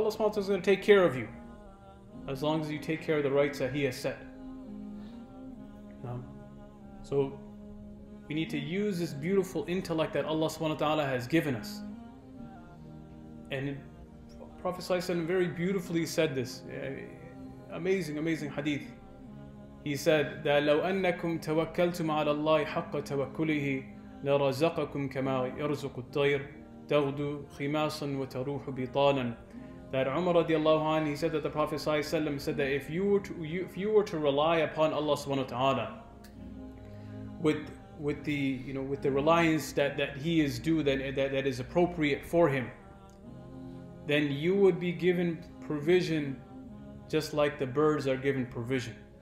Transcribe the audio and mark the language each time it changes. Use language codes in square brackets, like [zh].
[en] Allah subhanahu wa ta'ala is going to take care of you. As long as you take care of the rights that He has set. No. So we need to use this beautiful intellect that Allah subhanahu wa ta'ala has given us. And Prophet sallallahu alaihi wasallam very beautifully said this. Amazing hadith. He said that [ar] لو أنكم توكلتم على الله حق توكله لرزقكم كما يرزق الطير تغدو خماصا وتروح بطانا. [en] That Umar radiallahu anhu, he said that the Prophet sallallahu alaihi wasallam said that if you were to rely upon Allah subhanahu wa ta'ala with the reliance that He is due, that is appropriate for Him, then you would be given provision just like the birds are given provision.